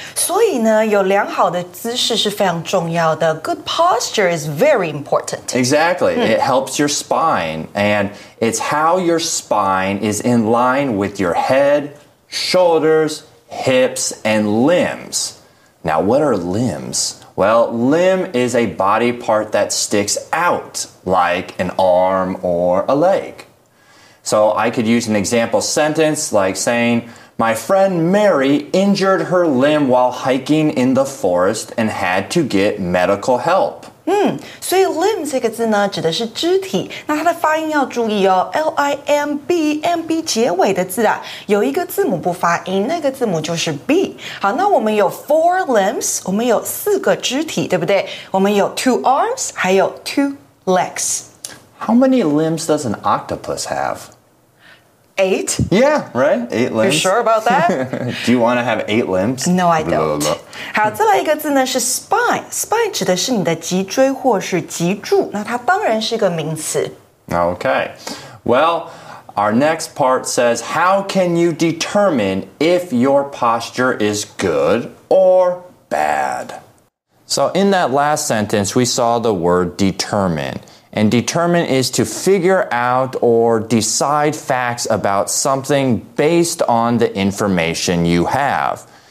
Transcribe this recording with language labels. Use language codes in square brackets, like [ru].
[zh] 所以呢，有良好的姿势是非常重要的。 [en] Good posture is very important. Exactly. It helps your spine. And it's how your spine is in line with your head, shoulders, hips, and limbs. Now, what are limbs? Well, limb is a body part that sticks out, like an arm or a leg. So I could use an example sentence like saying, my friend Mary injured her limb while hiking in the forest and had to get medical help. [zh] 所以 limb 这个字呢指的是肢体，那它的发音要注意哦， L-I-M-B 结尾的字啊有一个字母不发音，那个字母就是 B。好，那我们有 [en] four limbs， [zh] 我们有四个肢体，对不对？我们有 [en] two arms， [zh] 还有 [en] two legs。 How many limbs does an octopus have? Eight? Yeah, right? Eight limbs. You sure about that? Do you want to have eight limbs? No, I don't. Blah, blah. [zh] 好，再来一个字呢是 spine. Spine 指的是你的脊椎或是脊柱，那它当然是一个名词。 [en] Okay. Well, our next part says, how can you determine if your posture is good or bad? So in that last sentence, we saw the word determine. And determine is to figure out or decide facts about something based on the information you have.